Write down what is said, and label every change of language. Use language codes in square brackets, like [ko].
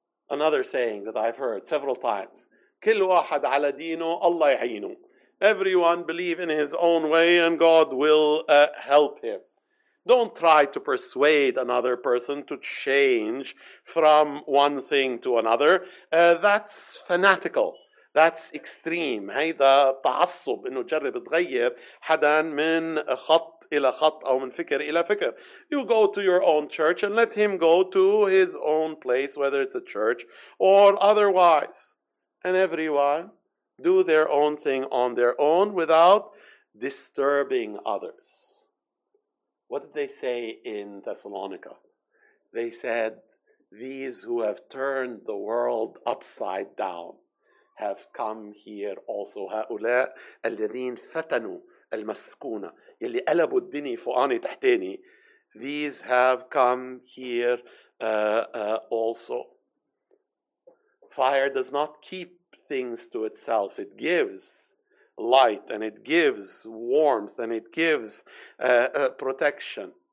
[en] Another saying that I've heard several times, [ar] كل واحد على دينه الله يعينه. [en] Everyone believe in his own way and God will help him. Don't try to persuade another person to change from one thing to another. That's fanatical. That's extreme. [ar] هيدا تعصب انه تجرب تغير حدا من خط إلى خط أو من فكر إلى فكر. [en] You go to your own church and let him go to his own place, whether it's a church or otherwise. And everyone do their own thing on their own without disturbing others. What did they say in Thessalonica? They said, these who have turned the world upside down have come here also. [ar] هؤلاء الذين فتنوا المسكونة يلي قلبوا الدنيا فوقاني تحتاني. [en] These have come here also. Fire does not keep things to itself. It gives light and it gives warmth and it gives protection.